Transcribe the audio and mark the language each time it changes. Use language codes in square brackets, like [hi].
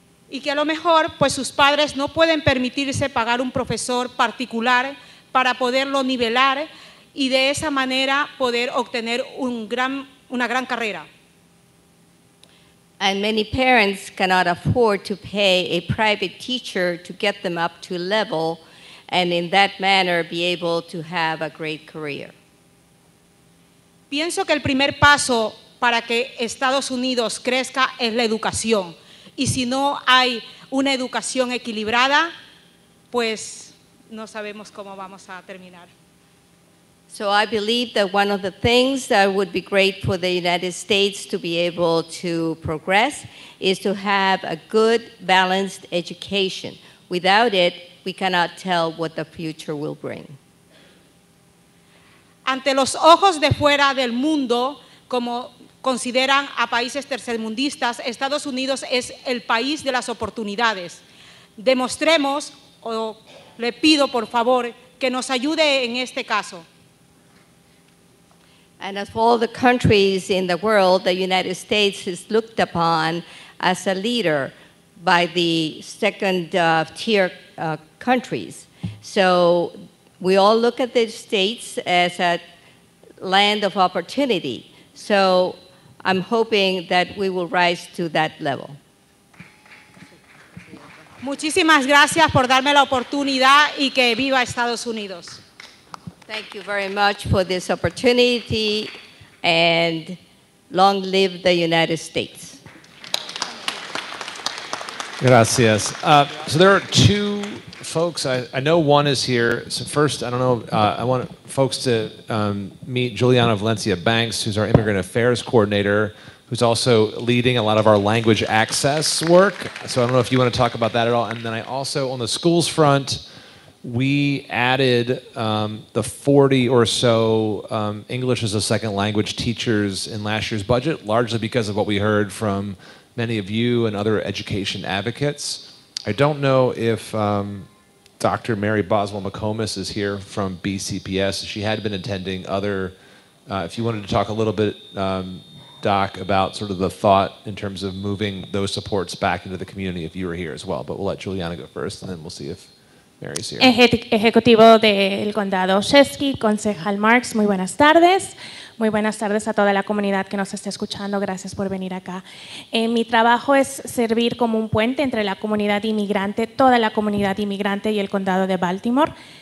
[es] Y que a lo mejor, pues sus padres no pueden permitirse pagar un profesor particular para poderlo nivelar y de esa manera poder obtener una gran carrera. [en] And many parents cannot afford to pay a private teacher to get them up to level and in that manner be able to have a great career. [es] Pienso que el primer paso para que Estados Unidos crezca es la educación. Y si no hay una educación equilibrada, pues no sabemos cómo vamos a terminar. [en] So I believe that one of the things that would be great for the United States to be able to progress is to have a good, balanced education. Without it, we cannot tell what the future will bring. [es] Ante los ojos de fuera del mundo, como consideran a países tercermundistas, Estados Unidos es el país de las oportunidades. Demostremos, o le pido por favor, que nos ayude en este caso. [en] And as for all the countries in the world, the United States is looked upon as a leader by the second tier countries. So we all look at the States as a land of opportunity. So I'm hoping that we will rise to that level. [es] Muchísimas gracias por darme la oportunidad y que viva Estados Unidos. [en] Thank you very much for this opportunity, and long live the United States. [es] Gracias. [en] So there are two folks. I know one is here. So first, I don't know. I want folks to meet Juliana Valencia Banks, who's our immigrant affairs coordinator, who's also leading a lot of our language access work. So I don't know if you want to talk about that at all. And then I also, on the schools front, we added the 40 or so English as a second language teachers in last year's budget, largely because of what we heard from many of you and other education advocates. I don't know if Dr. Mary Boswell McComas is here from BCPS. She had been attending other, if you wanted to talk a little bit, Doc, about sort of the thought in terms of moving those supports back into the community if you were here as well. But we'll let Juliana go first, and then we'll see if Mary's here. [es] Ejecutivo del Condado Olszewski, Concejal Marx, muy buenas tardes. Muy buenas tardes a toda la comunidad que nos está escuchando. Gracias por venir acá. Mi trabajo es servir como un puente entre la comunidad inmigrante, toda la comunidad inmigrante y el condado de Baltimore.